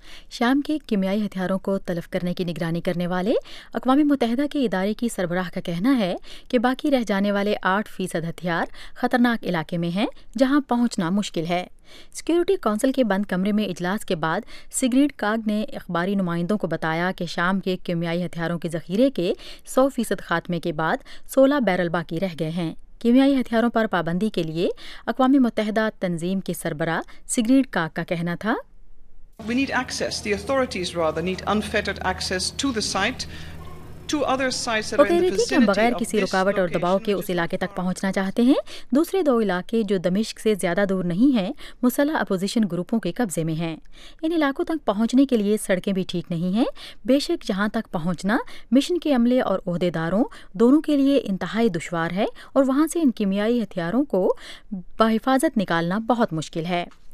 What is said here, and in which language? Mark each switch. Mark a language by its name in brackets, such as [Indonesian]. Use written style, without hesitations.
[Urdu] شام کے کیمیائی ہتھیاروں کو تلف کرنے کی نگرانی کرنے والے اقوام متحدہ کے ادارے کی سربراہ کا کہنا ہے کہ باقی رہ جانے والے 8% ہتھیار خطرناک علاقے میں ہیں جہاں پہنچنا مشکل ہے۔ سیکیورٹی کونسل کے بند کمرے میں اجلاس کے بعد سگریڈ کاگ نے اخباری نمائندوں کو بتایا کہ شام کے کیمیائی ہتھیاروں کے ذخیرے کے 100% خاتمے کے بعد 16 بیرل باقی رہ گئے ہیں۔ کیمیائی ہتھیاروں پر پابندی کے لیے اقوام متحدہ تنظیم کے سربراہ سگریڈ کاگ کا کہنا تھا، [English] We need access. The authorities rather need unfettered access to the site, to other sites that are in the vicinity of this location. [Urdu] بغیر کسی رکاوٹ اور دباؤ کے اس علاقے تک پہنچنا چاہتے ہیں۔ دوسرے دو علاقے جو دمشق سے زیادہ دور نہیں ہیں، مسلح اپوزیشن گروپوں کے قبضے میں ہیں۔ ان علاقوں تک پہنچنے کے لیے سڑکیں بھی ٹھیک نہیں ہیں۔ بے شک جہاں تک پہنچنا مشن کے عملے اور عہدیداروں دونوں کے لیے انتہائی دشوار ہے، اور وہاں سے ان کیمیائی ہتھیاروں کو بحفاظت نکالنا بہت مشکل ہے۔